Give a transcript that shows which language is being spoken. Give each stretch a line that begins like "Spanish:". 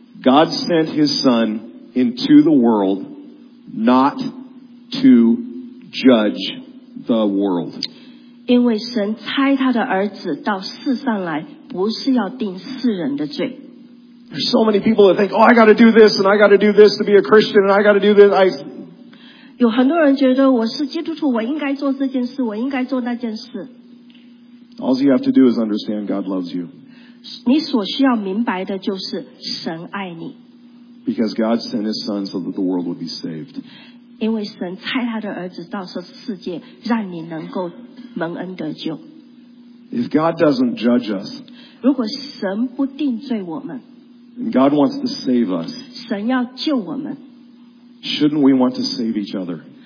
English: God sent his son into the world not to judge the world.
Chinese: 因为神差他的儿子到世上来不是要定世人的罪。
English: There's so many people that think, oh, I got to do this and I got to do this to be a Christian and I got to do this.
Chinese: 有很多人觉得我是基督徒，我应该做这件事，我应该做那件事。
English: All you have to do is understand God loves you.
Chinese: 你所需要明白的就是神爱你。
English: Because God sent his son so that the world would be saved.
Chinese: 因为神差他的儿子到这世界，让你能够蒙恩得救。
English: If God doesn't judge us,
Chinese: 如果神不定罪我们。
English: And God wants to save us.
Chinese: 神要救我们。
English: Shouldn't we want to save each other?